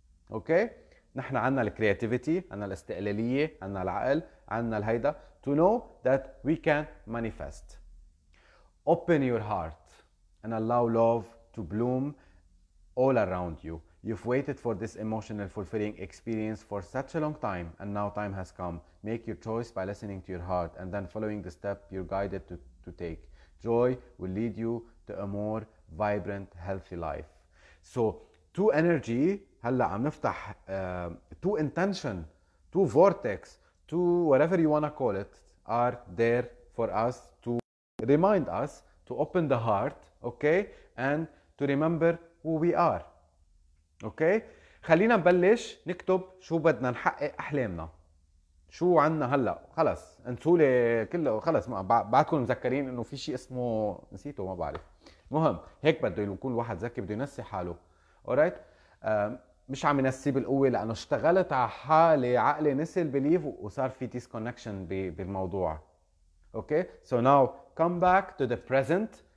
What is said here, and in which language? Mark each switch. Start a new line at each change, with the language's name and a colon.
Arabic: اوكي نحن عندنا الكرياتيفيتي عندنا الاستقلاليه عندنا العقل عندنا الهيدا
English: to know that we can manifest. Open your heart and allow love to bloom all around you. You've waited for this emotional fulfilling experience for such a long time and now time has come. Make your choice by listening to your heart and then following the step you're guided to take. Joy will lead you to a more vibrant, healthy life. So, two energy,
Arabic: هلا عم نفتح
English: two intention, two vortex, two whatever you wanna call it, are there for us to remind us, to open the heart, okay? And to remember who we are, okay?
Arabic: خلينا نبلش نكتب شو بدنا نحقق أحلامنا. شو عنا هلا خلص انسولي كله خلص بعدكم مذكرين انه في شيء اسمه نسيته ما بعرف مهم هيك بده يكون واحد ذكي بده ينسي حاله alright مش عم ينسي بالقوة لانه اشتغلت على حالي عقلي نسي البليف وصار في disconnection بالموضوع
English: okay so now come back to the present